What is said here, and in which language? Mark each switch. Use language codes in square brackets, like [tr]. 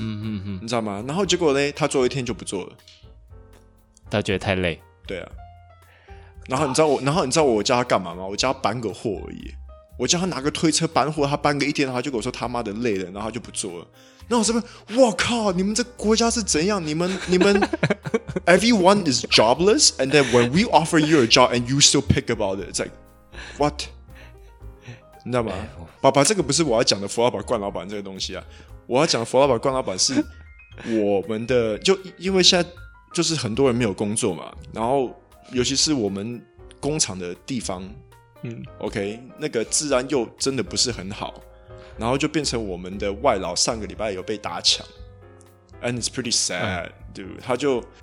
[zh] 嗯嗯嗯嗯你知道吗，然后结果呢他做一天就不做了。他觉得太累。对啊。然后你知道我叫他干嘛吗？我叫他搬个货而已。我叫他拿个推车搬货，他搬个一天，他就跟我说他妈的累了，然后他就不做了。那我这边，哇靠！你们这国家是怎样？ [en] 你们，everyone is jobless, and then when we offer you a job, and you still pick about it, it's like what？ [zh] 你知道吗？爸爸，这个不是我要讲的佛老板冠老板这个东西啊，我要讲的佛老板冠老板是我们的，就因为现在就是很多人没有工作嘛，然后。尤其是我们工厂的地方，嗯，OK， 那个治安又真的不是很好，然后就变成我们的外劳上个礼拜有被打抢 ， [en] and it's pretty sad，、dude， [zh] 他就